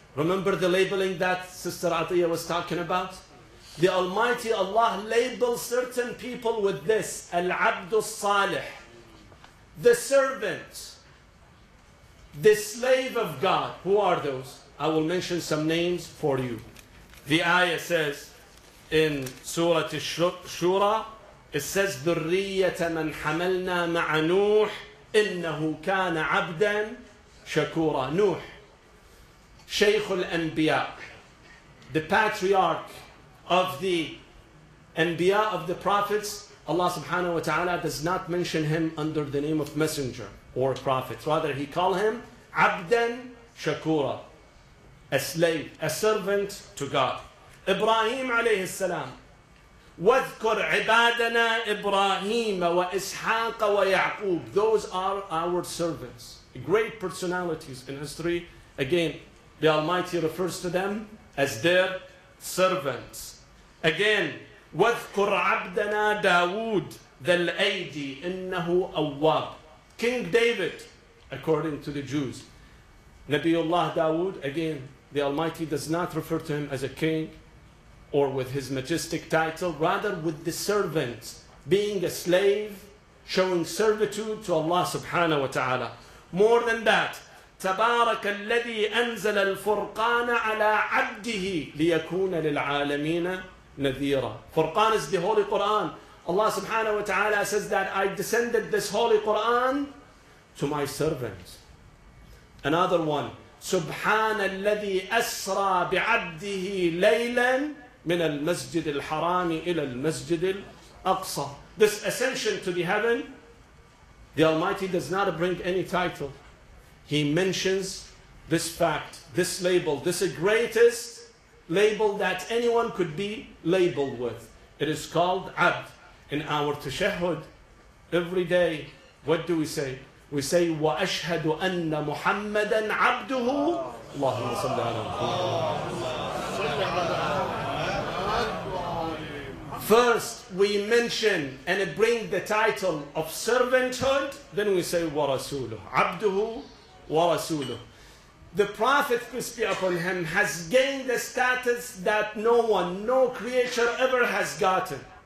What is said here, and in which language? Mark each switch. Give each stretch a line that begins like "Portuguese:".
English: Remember the labeling that Sister Atiyah was talking about? The Almighty Allah labels certain people with this, Al-Abdu Salih, the servant, the slave of God. Who are those? I will mention some names for you. The ayah says in Surah Shura, it says,
Arabic: ذُرِّيَّةَ مَنْ حَمَلْنَا مَعَ نُوحٍ إِنَّهُ كَانَ عَبْدًا شَكُورًا.
English: Nuh, Shaykh al-Anbiya, the patriarch of the Anbiya, of the prophets. Allah subhanahu wa ta'ala does not mention him under the name of messenger or prophet. Rather, he called him
Arabic: عَبْدًا شَكُورًا.
English: A slave, a servant to God. Ibrahim alayhi salam.
Arabic: وَذْكُرْ عِبَادَنَا إِبْرَاهِيمَ وَإِسْحَاقَ وَيَعْقُوبَ.
English: Those are our servants. Great personalities in history. Again, the Almighty refers to them as their servants. Again,
Arabic: وَذْكُرْ عَبْدَنَا دَاوُودَ ذَا الْأَيْدِي إِنَّهُ أَوَّابٌ.
English: King David, according to the Jews. Nabiullah Dawood, again, the Almighty does not refer to him as a king or with his majestic title, rather with the servant, being a slave, showing servitude to Allah subhanahu wa ta'ala. More than that,
Arabic: تَبَارَكَ الَّذِي أَنزَلَ الْفُرْقَانَ عَلَىٰ عَبْدِهِ لِيَكُونَ لِلْعَالَمِينَ نَذِيرًا.
English: Furqan is the Holy Quran. Allah subhanahu wa ta'ala says that I descended this Holy Quran to my servant. Another one,
Arabic: سبحان الذي أسرى بعبده ليلا من المسجد الحرام إلى المسجد الأقصى.
English: This ascension to the heaven, the Almighty does not bring any title. He mentions this fact, this label, this is the greatest label that anyone could be labeled with. It is called Abd. In our tashahhud, every day, what do we say? We say,
Arabic: وَأَشْهَدُ أَنَّ مُحَمَّدًا عَبْدُهُ اللَّهُمَّ صَلَّى عَلَىٰ مُحَمَّدًا.
English: First, we mention and bring the title of servanthood, then we say,
Arabic: وَرَسُولُهُ عَبْدُهُ وَرَسُولُهُ.
English: The Prophet, peace be upon him, has gained the status that no one, no creature ever has gotten.